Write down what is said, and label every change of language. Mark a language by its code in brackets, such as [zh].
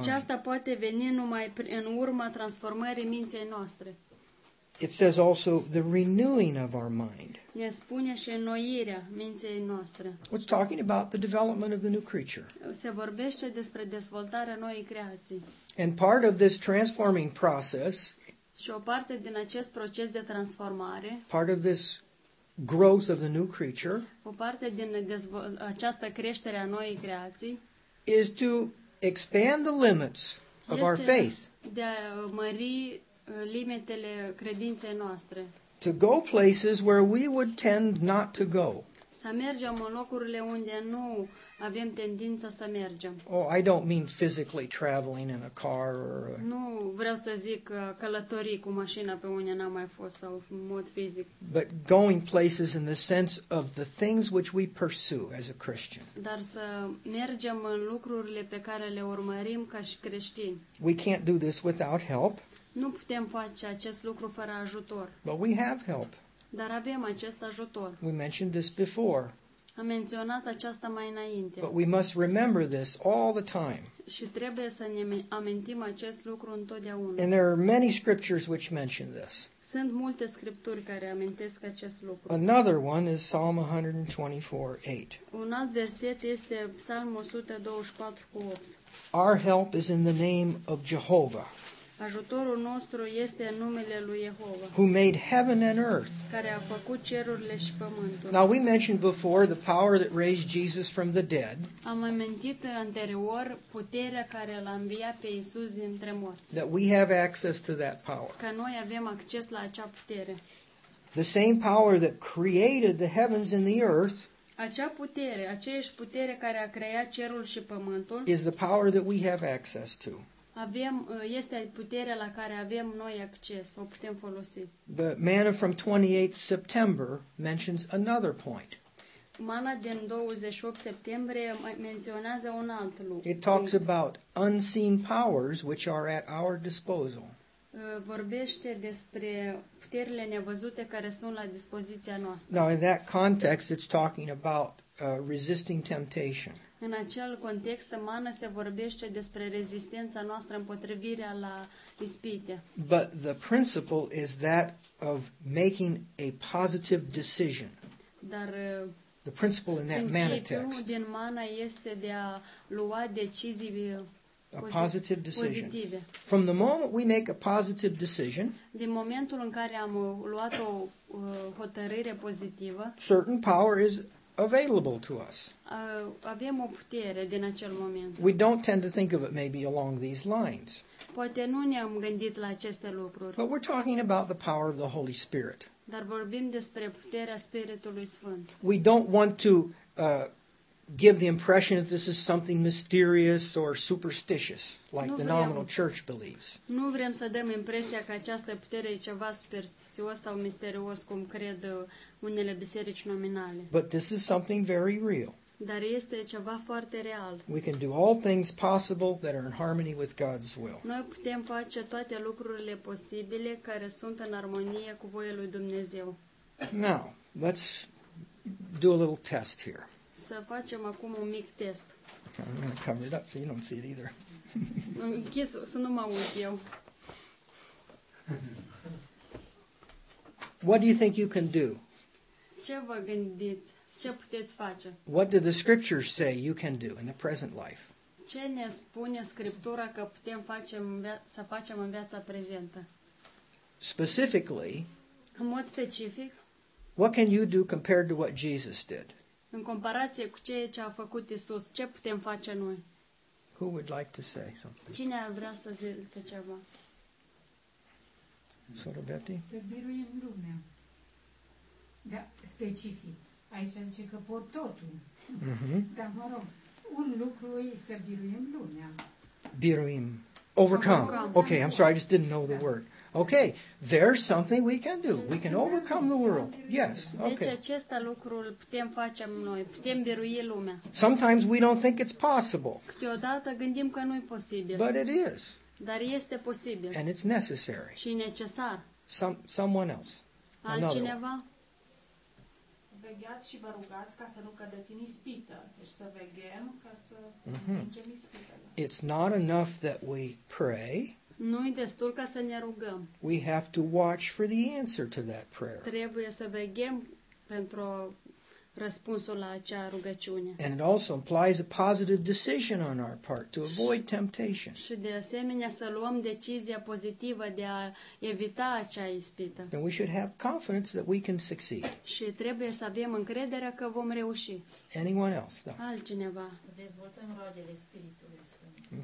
[ro] Aceasta poate veni numai în urma transformării minții noastre. [en] It says also the renewing of our mind. [ro] Ne spune și înnoirea minții noastre. [en] It's talking about the development of the new creature. [ro] Se vorbește despre dezvoltarea noii creații. [en] And part of this transforming process. [ro] Și o parte din acest proces de transformare. [en] Part of this growth of the new creature. [ro] O parte din această creștere a noii creații. [en] Is to expand the limits of our faith. [ro] De a mări limitele credinței noastre. [en] To go places where we would tend not to go. [ro] Să mergem în locurile unde nu avem tendința să mergem. [en] Oh, I don't mean physically traveling in a car or [ro] nu vreau să zic călătorii cu mașina pe unde n-am mai fost sau în mod fizic. [en] But going places in the sense of the things which we pursue as a Christian. [ro] Dar să mergem în lucrurile pe care le urmărim ca și creștini. [en] We can't do this without help. [ro] Nu putem face acest lucru fără ajutor. [en] But we have help. [ro] Dar avem acest ajutor. [en] We mentioned this before. [ro] Am menționat aceasta mai înainte. [en] But we must remember this all the time. [ro] Și trebuie să ne amintim acest lucru întotdeauna. [en] And there are many scriptures which mention this. [ro] Sunt multe scripturi care amintesc acest lucru. [en] Another one is Psalm 124:8. [ro] Un alt verset este Psalmul 124:8. [en] Our help is in the name of Jehovah. [ro] Ajutorul nostru este în numele lui Jehova. [en] Who made heaven and earth. [ro] Care a făcut cerurile și pământul. [en] Now we mentioned before the power that raised Jesus from the dead. [ro] Am amintit anterior puterea care l-a înviat pe Iisus dintre morți. [en] That we have access to that power. [ro] Că noi avem acces la acea putere. [en] The same power that created the heavens and the earth. [ro] Acea putere, aceeași putere care a creat cerul și pământul. [en] Is the power that we have access to. [ro] Avem, este puterea la care avem noi acces, o putem folosi. [en] The manna from 28 September mentions another point. [ro] Mana din 28 septembrie menționează un alt lucru. [en] It talks about unseen powers which are at our disposal. [ro] Vorbește despre puterile nevăzute care sunt la dispoziția noastră. [en] Now in that context it's talking about resisting temptation. [ro] În acel context, mana se vorbește despre rezistența noastră împotrivirea la ispite. [en] But the principle is that of making a positive decision. [ro] Dar [en] the principle in that mana text. [ro] Din mana este de a lua decizii pozitive. [en] From the moment we make a positive decision, [ro] din momentul în care am luat o hotărâre pozitivă, [en] certain power is available to us. [ro] Avem o putere din acel moment. [en] We don't tend to think of it maybe along these lines. [ro] Poate nu ne-am gândit la aceste lucruri. [en] But we're talking about the power of the Holy Spirit. [ro] Dar vorbim despre puterea Spiritului Sfânt. [en] We don't want to give the impression that this is something mysterious or superstitious, like the nominal church believes. [ro] Nu vrem să dăm impresia că această putere e ceva superstițios sau misterios, cum cred unele biserici nominale. [en] But this is something very real. [ro] Dar este ceva foarte real. [en] We can do all things possible that are in harmony with God's will. [ro] Noi putem face toate lucrurile posibile care sunt în armonie cu voia lui Dumnezeu. [en] Now, let's do a little test here. [ro] Să facem acum un mic test. [en] I'm going to cover it up so you don't see it either. [ro] Închis, să nu mă uit eu. [en] What do you think you can do? [ro] Ce vă gândiți? Ce puteți face? [en] What do the scriptures say you can do in the present life? [ro] Ce ne spune Scriptura că putem face să facem în viața prezentă? [en] Specifically, [ro] în mod specific, [en] what can you do compared to what Jesus did? [ro] În comparație cu ceea ce a făcut Isus, ce putem face noi? [en] Who would like to say something? [ro] Cine ar vrea să zică ceva? Soră Betty? Să biruim lumea. Da, specific. Aici zice că pot totul. Mm-hmm. Dar mă rog, un lucru e să biruim lumea. Biruim. [en] Overcome. Okay, I'm sorry, I just didn't know the word. Okay, there's something we can do. We can overcome the world. Yes, okay. [ro] Deci acesta lucru îl putem face noi. Putem birui lumea. [en] Sometimes we don't think it's possible. [ro] Câteodată gândim că nu e posibil. [en] But it is. [ro] Dar este posibil. [en] And it's necessary. [ro] Și e necesar. [en] Someone else. [ro] Altcineva? Vegheați și vă rugați ca să nu cădeți în ispită. Deci să veghem ca să învingem ispitele. [en] It's not enough that we pray. [ro] Nu-i destul ca să ne rugăm. [en] We have to watch for the answer to that prayer. [ro] Trebuie să veghem pentru răspunsul la acea rugăciune. [en] And it also implies a positive decision on our part to avoid temptation. [ro] Și de asemenea să luăm decizia pozitivă de a evita acea ispită. [en] And we should have confidence that we can succeed. [ro] Și trebuie să avem încredere că vom reuși. [en] Anyone else? [ro] Da. Altcineva? Să dezvoltăm roadele Spiritului Sfânt.